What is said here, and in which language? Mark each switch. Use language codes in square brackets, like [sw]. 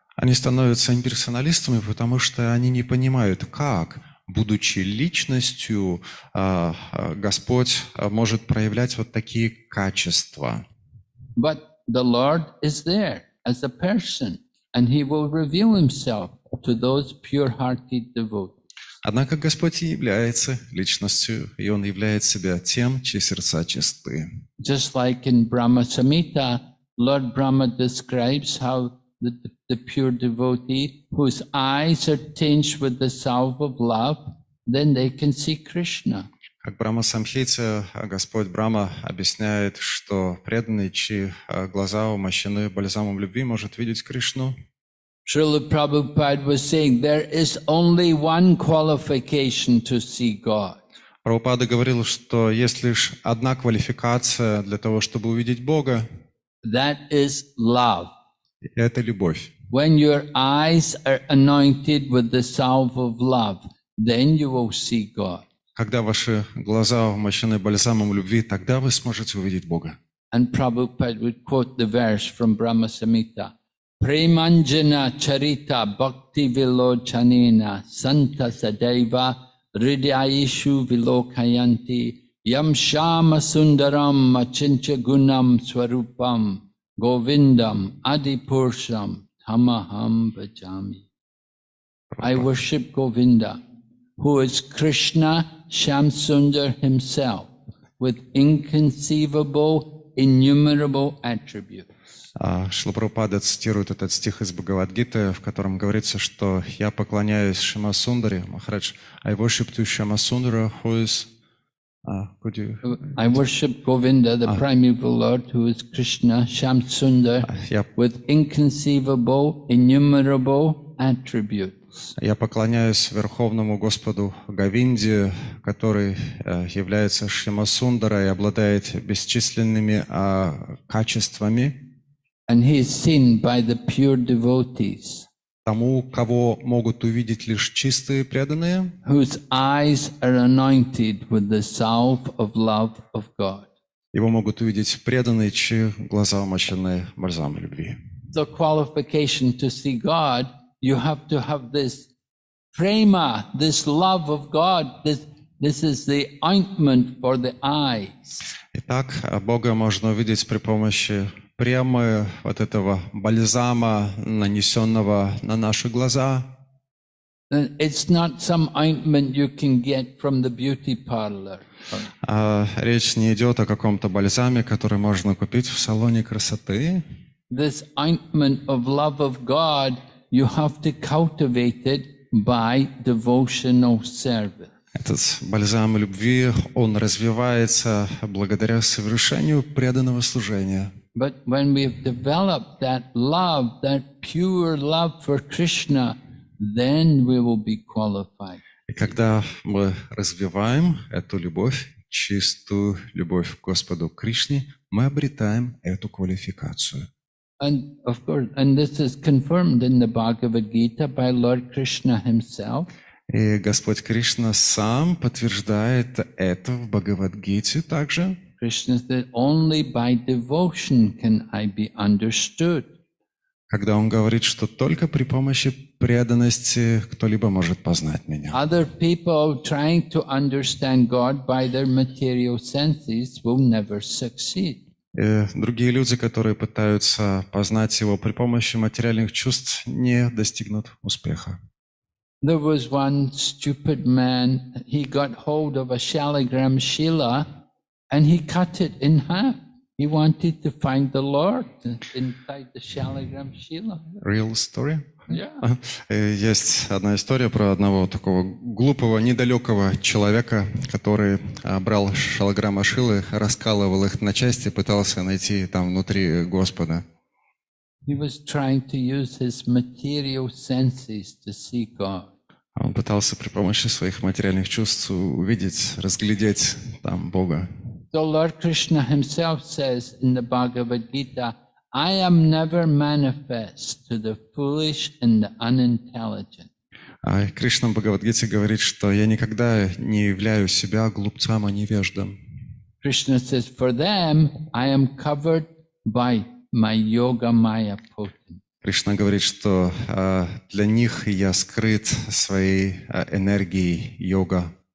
[ru] Они становятся имперсоналистами, потому что они не понимают, как будучи личностью, Господь может проявлять вот такие качества. [en] But the Lord is there as a person, and he will reveal himself to those pure-hearted devotees. [ru] Однако Господь и является личностью, и он являет себя тем, чьи сердца чисты. [en] Just like in Brahma Samhita, Lord Brahma describes how the pure devotee whose eyes are tinged with the salve of love, then they can see Krishna. [ru] Как Брама Самхите, Господь Брама объясняет, что преданный, чьи глаза умощены бальзамом любви, может видеть Кришну. [en] Srila Prabhupada was saying there is only one qualification to see God. [ru] Прабхупада говорил, что есть лишь одна квалификация для того, чтобы увидеть Бога. [en] That is love. [ru] Это любовь. [en] When your eyes are anointed with the salve of love, then you will see God. [ru] Когда ваши глаза умощены бальзамом любви, тогда вы сможете увидеть Бога. [en] And Prabhupada would quote the verse from Brahma Samhita. [sa] Преманджана чарита бхакти вилочанина санта садайва ридяишу вилокаянти ям шама сундарам ачинча гунам сварупам говиндам адипуршам тамахам баджами. [en] I worship Govinda, who is Krishna Shamsundar himself, with inconceivable, innumerable attributes. [ru] Шрила Прабхупада цитирует этот стих из Бхагавад-гиты, в котором говорится, что «Я поклоняюсь Шама Сундари, Махарадж». [en] «I worship to Шама Сундара, who is...» «I worship Govinda, the primeval Lord, who is Krishna, Shamsundar, with inconceivable, innumerable attributes». [ru] «Я поклоняюсь Верховному Господу Говинде, который является Шама Сундара и обладает бесчисленными качествами». [en] And he is seen by the pure devotees, [ru] тому, кого могут увидеть лишь чистые преданные, [en] whose eyes are anointed with the salve of love of God. [ru] Его могут увидеть преданные, чьи глаза умощены бальзам любви. [en] The qualification to see God, you have to have this prema, this love of God, this is the ointment for the eyes. [ru] Итак, Бога можно увидеть при помощи прямо вот этого бальзама, нанесенного на наши глаза. [en] It's not some ointment you can get from the beauty parlor. [ru] Речь не идет о каком-то бальзаме, который можно купить в салоне красоты. [en] This ointment of love of God, you have to cultivate it by devotional service. [ru] Этот бальзам любви, он развивается благодаря совершению преданного служения. [en] But when we have developed that love, that pure love for Krishna, then we will be qualified. [ru] И когда мы развиваем эту любовь, чистую любовь к Господу Кришне, мы обретаем эту квалификацию. [en] And of course, and this is confirmed in the Bhagavad Gita by Lord Krishna himself. [ru] И Господь Кришна сам подтверждает это в Бхагавад-гите также. [en] Krishna said, only by devotion can I be understood. [ru] Когда он говорит, что только при помощи преданности кто-либо может познать меня. [en] Other people trying to understand God by their material senses will never succeed. [ru] И другие люди, которые пытаются познать его при помощи материальных чувств, не достигнут успеха. [en] There was one stupid man, he got hold of a shaligram shila, and he cut it in half. He wanted to find the Lord inside the shaligram shila. Real story? Yeah. [ru] Есть одна история про одного такого глупого, недалекого человека, который брал шалограмма шилы, раскалывал их на части, пытался найти там внутри Господа. [en] He was trying to use his material senses to see God. [ru] Он пытался при помощи своих материальных чувств увидеть, разглядеть там Бога. [en] So Lord Krishna himself says in the Bhagavad Gita, I am never manifest to the foolish and the unintelligent. [ru] Кришна в Бхагавад-гите говорит, что я никогда не являю себя глупцам и невеждам. [en] Krishna says, for them I am covered by my yoga maya potency. [ru] Кришна говорит, что для них я скрыт своей энергией йога.